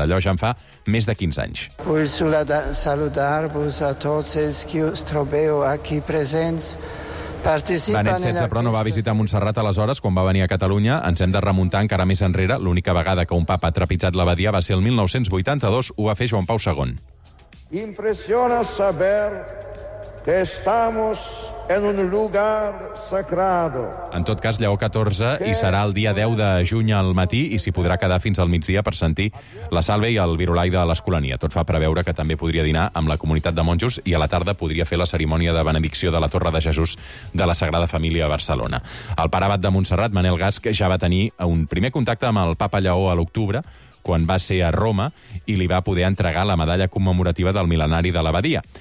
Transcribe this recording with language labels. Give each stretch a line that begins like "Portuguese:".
Catalan: D'allò ja en fa més de 15 anys. Vull saludar-vos a tots els que us trobeu aquí presents. Benet XVI, però, no va visitar Montserrat aleshores, quan va venir a Catalunya. Ens hem de remuntar encara més enrere. L'única vegada que un papa ha trepitjat l'abadia va ser el 1982. Ho va fer Joan Pau II. Impressiona
Spanish: saber que estamos en un lugar sagrado.
Catalan: En tot cas, Lleó XIV, i serà el dia 10 de juny al matí, i s'hi podrà quedar fins al migdia per sentir la Salve i el Virolai de l'Escolania. Tot fa preveure que també podria dinar amb la comunitat de monjos i a la tarda podria fer la cerimònia de benedicció de la Torre de Jesús de la Sagrada Família a Barcelona. El pare abat de Montserrat, Manel Gasc, ja va tenir un primer contacte amb el papa Lleó a l'octubre, quan va ser a Roma i li va poder entregar la medalla commemorativa del mil·lenari de l'abadia.